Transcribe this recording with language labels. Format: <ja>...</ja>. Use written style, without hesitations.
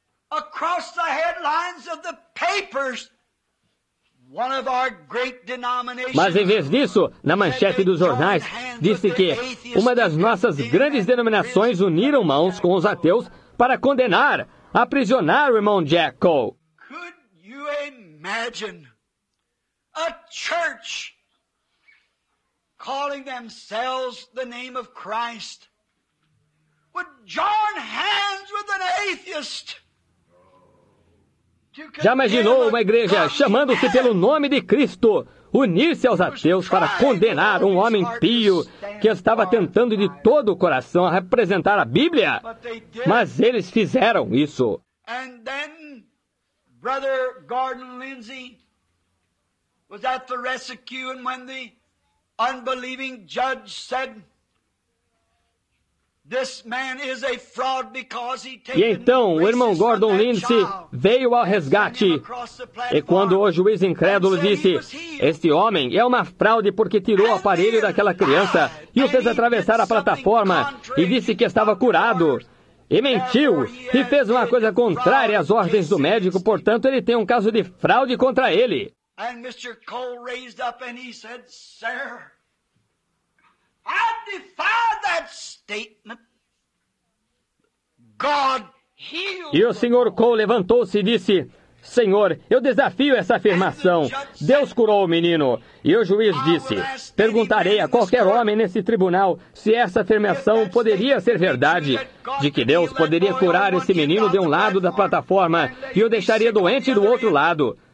<en>Across the headlines of the papers, one of our great denominations.</en> <pt>Mas em vez disso, na manchete dos jornais, disse que uma das nossas grandes denominações uniram mãos com os ateus para condenar, aprisionar o irmão Jack Cole.</pt> <en>Could you imagine a church calling themselves the name of Christ would join hands with an atheist?</en> <pt>Já imaginou uma igreja chamando-se pelo nome de Cristo unir-se aos ateus para condenar um homem pio que estava tentando de todo o coração representar a Bíblia? Mas eles fizeram isso. E então,</pt> <en>Brother Gordon Lindsay was at the rescue, and when the unbelieving judge said, "This man is a fraud because he taken."</en> <pt>E então, o irmão Gordon Lindsay veio ao resgate. E quando o juiz incrédulo disse, "Este homem é uma fraude porque tirou o aparelho daquela criança e o fez atravessar a plataforma e disse que estava curado." E mentiu e fez uma coisa contrária às ordens do médico, portanto, ele tem um caso de fraude contra ele.</pt> <en>And Mr. Cole raised up and he said, "Sir, I defy that statement. God healed."</en> <pt>E o Sr. Cole levantou-se e disse, "Senhor, eu desafio essa afirmação. Deus curou o menino." E o juiz disse, "Perguntarei a qualquer homem nesse tribunal se essa afirmação poderia ser verdade, de que Deus poderia curar esse menino de um lado da plataforma e o deixaria doente do outro lado.</pt>